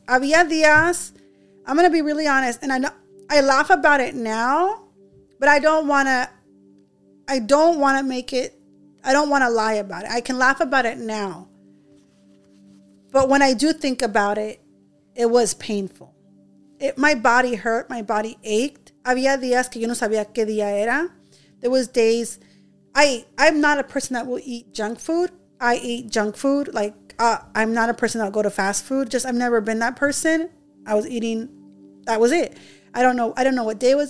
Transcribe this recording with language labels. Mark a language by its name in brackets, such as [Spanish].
[Spanish] Había días. [English] I'm going to be really honest. And I laugh about it now, but I don't want to lie about it. I can laugh about it now. But when I do think about it, it was painful. My body hurt. My body ached. [Spanish] Había días que yo no sabía qué día era. [English] There was days. I'm not a person that will eat junk food. I eat junk food. Like, I'm not a person that will go to fast food. Just, I've never been that person. I was eating, that was it. I don't know what day it was.